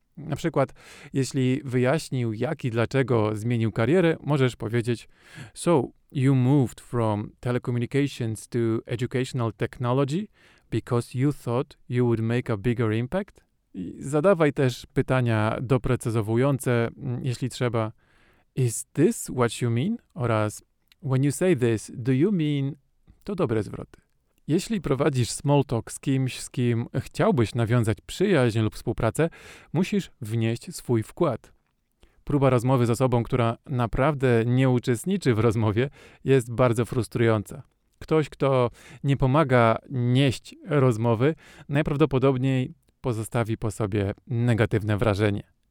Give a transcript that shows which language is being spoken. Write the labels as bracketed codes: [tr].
[pl] Na przykład, jeśli wyjaśnił, jak i dlaczego zmienił karierę, możesz powiedzieć: [en] "So, you moved from telecommunications to educational technology because you thought you would make a bigger impact?" [pl] I zadawaj też pytania doprecyzowujące, jeśli trzeba. [en] "Is this what you mean?" [pl] oraz [en] "When you say this, do you mean..." [pl] To dobre zwroty. Jeśli prowadzisz small talk z kimś, z kim chciałbyś nawiązać przyjaźń lub współpracę, musisz wnieść swój wkład. Próba rozmowy z osobą, która naprawdę nie uczestniczy w rozmowie, jest bardzo frustrująca. Ktoś, kto nie pomaga nieść rozmowy, najprawdopodobniej pozostawi po sobie negatywne wrażenie.